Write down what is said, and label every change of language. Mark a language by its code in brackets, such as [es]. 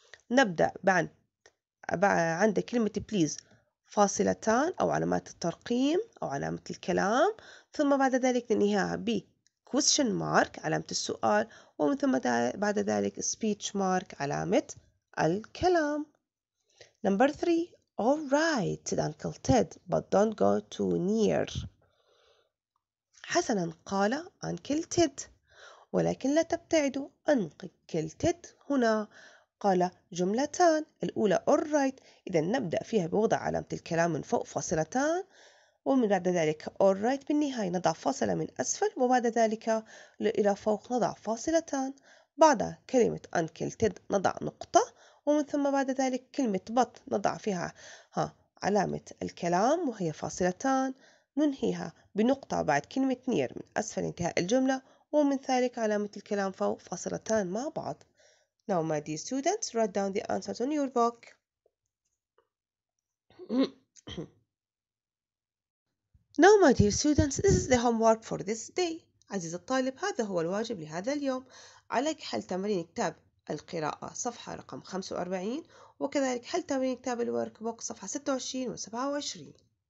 [ar] نبدأ عند كلمة please فاصلتان أو علامات الترقيم أو علامة الكلام، ثم بعد ذلك ننهيها ب question mark علامة السؤال، ومن ثم بعد ذلك speech mark علامة الكلام. [en] Number three. All right, said Uncle Ted, but don't go too near. [ar] حسنا قال أنكل تيد، ولكن لا تبتعدوا. أنكل تيد هنا قال جملتان، الأولى [en] all right، [ar] إذا نبدأ فيها بوضع علامة الكلام من فوق فاصلتان، ومن بعد ذلك all right بالنهاية نضع فاصلة من أسفل، وبعد ذلك إلى فوق نضع فاصلتان، بعد كلمة أنكل تيد نضع نقطة، ومن ثم بعد ذلك كلمة بط نضع فيها علامة الكلام وهي فاصلتان، ننهيها بنقطة بعد كلمة near من أسفل انتهاء الجملة، ومن ذلك علامة الكلام فوق فاصلتان مع بعض. [en] Now my dear students, write down the answers on your book. Now my dear students, this is the homework for this day. [ar] عزيز الطالب، هذا هو الواجب لهذا اليوم. عليك حل تمرين كتاب القراءة صفحة رقم 45، وكذلك حل تمرين كتاب الورك بوك صفحة 26 و27.